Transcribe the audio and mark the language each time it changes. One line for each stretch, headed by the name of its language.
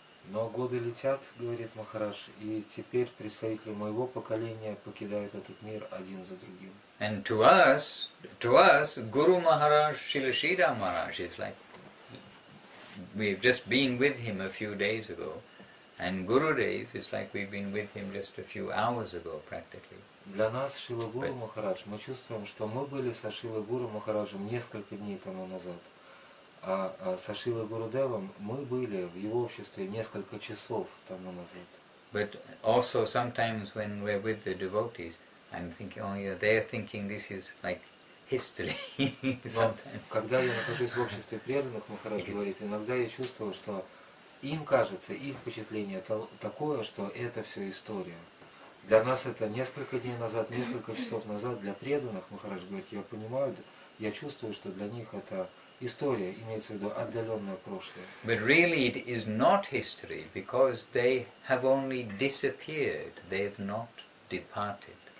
Russian: Но годы летят, говорит Махарадж, и теперь представители моего поколения покидают этот мир один за другим.
English: And to us, Guru Maharaj, Srila Sridhar Maharaj is like, we've just been with him a few days ago, and Gurudev is like we've been with him just a few hours ago, practically.
Russian: Для нас, Шрила Гуру Махарадж, мы чувствуем, что мы были со Шрилой Гуру Махараджем несколько дней тому назад. А со Шрилой Гурудевом мы были в его обществе несколько часов тому назад.
English: But also sometimes when we're with the devotees, I'm thinking, oh yeah, they're thinking this is like history. Sometimes.
Russian: Когда я нахожусь в обществе преданных, Махарадж говорит, иногда я чувствую, что им кажется, их впечатление такое, что это все история. Для нас это несколько дней назад, несколько часов назад. Для преданных, Махарадж говорит, я понимаю, я чувствую, что для них это история, имеется в виду отдаленное прошлое.
English: But really it is not history, because they have only disappeared, they have not departed.